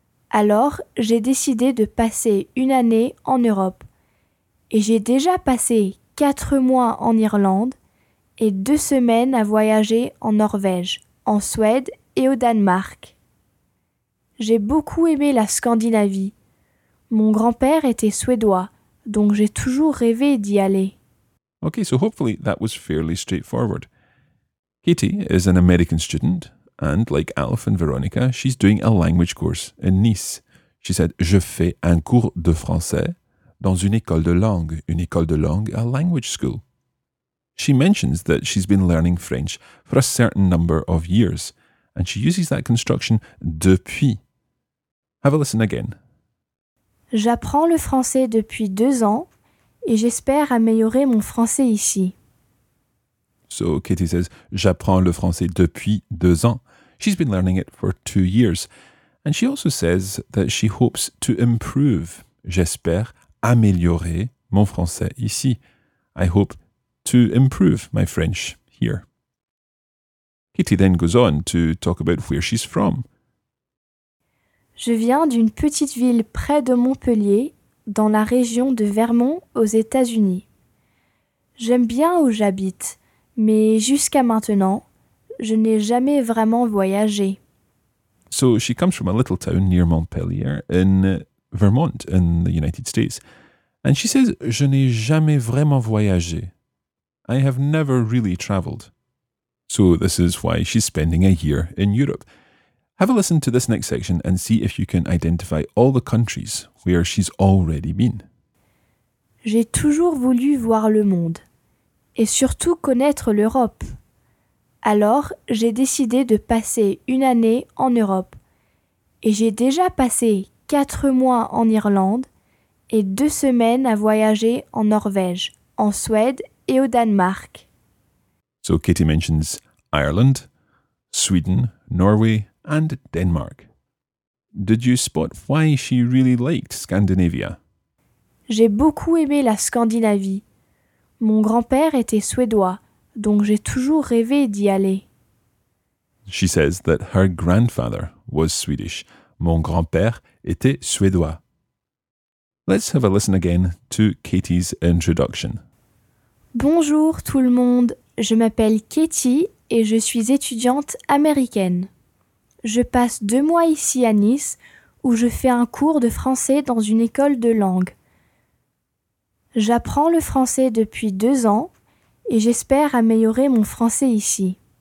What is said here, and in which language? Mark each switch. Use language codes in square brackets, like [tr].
[fr] Alors, j'ai décidé de passer 1 année en Europe, et j'ai déjà passé 4 mois en Irlande, et 2 semaines à voyager en Norvège, en Suède et au Danemark. J'ai beaucoup aimé la Scandinavie. Mon grand-père était suédois, donc j'ai toujours rêvé d'y aller. [en] Okay, so hopefully that was fairly straightforward. Katie is an American student, and like Alf and Veronica, she's doing a language course in Nice. She said, [fr] je fais un cours de français dans une école de langue, [en] a language school. She mentions that she's been learning French for a certain number of years, and she uses that construction depuis. Have a listen again. [fr] J'apprends le français depuis 2 ans, et j'espère améliorer mon français ici. [en] So Katie says, [fr] j'apprends le français depuis 2 ans. [en] She's been learning it for 2 years. And she also says that she hopes to improve. [fr] J'espère améliorer mon français ici. [en] I hope to improve my French here. Katie then goes on to talk about where she's from. [fr] Je viens d'une petite ville près de Montpellier, dans la région de Vermont, aux États-Unis. J'aime bien où j'habite, mais jusqu'à maintenant, je n'ai jamais vraiment voyagé. [en] So she comes from a little town near Montpellier in Vermont, in the United States. And she says, [fr] je n'ai jamais vraiment voyagé. [en] I have never really traveled. So this is why she's spending a year in Europe. Have a listen to this next section and see if you can identify all the countries where she's already been. [fr] J'ai toujours voulu voir le monde et surtout connaître l'Europe. Alors, j'ai décidé de passer 1 année en Europe. Et j'ai déjà passé 4 mois en Irlande et 2 semaines à voyager en Norvège, en Suède et au Danemark. [en] So Katie mentions Ireland, Sweden, Norway and Denmark. Did you spot why she really liked Scandinavia? [fr] J'ai beaucoup aimé la Scandinavie. Mon grand-père était suédois, donc j'ai toujours rêvé d'y aller. [en] She says that her grandfather was Swedish. [fr] Mon grand-père était suédois. [en] Let's have a listen again to Katie's introduction. [fr] Bonjour tout le monde, je m'appelle Katie et je suis étudiante américaine. Je passe 2 mois ici à Nice où je fais un cours de français dans une école de langue. J'apprends le français depuis 2 ans et j'espère améliorer mon français ici.